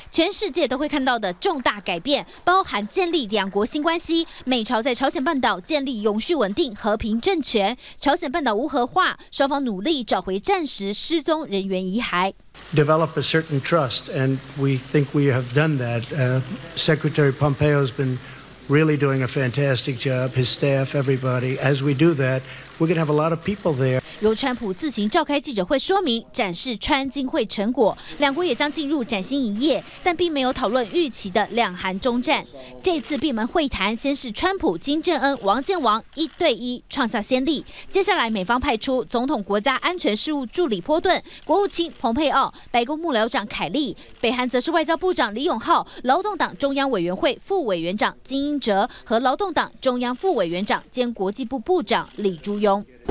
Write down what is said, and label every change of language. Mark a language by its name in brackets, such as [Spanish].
[Chinese] 全世界都会看到的重大改变，包含建立两国新关系，美朝在朝鲜半岛建立永续稳定和平政权，朝鲜半岛无核化，双方努力找回战时失踪人员遗骸。 [English] Develop a certain trust, and we think we have done that. Secretary Pompeo has been really doing a fantastic job. His staff, everybody. As we do that, we're going to have a lot of people there. [Chinese] 由川普自行召开记者会说明，展示川金会成果，两国也将进入崭新一页，但并没有讨论预期的两韩中战。这次闭门会谈，先是川普、金正恩、王健王一对一创下先例，接下来美方派出总统国家安全事务助理波顿、国务卿蓬佩奥、白宫幕僚长凯利，北韩则是外交部长李永浩、劳动党中央委员会副委员长金英哲和劳动党中央副委员长兼国际部部长李朱镛。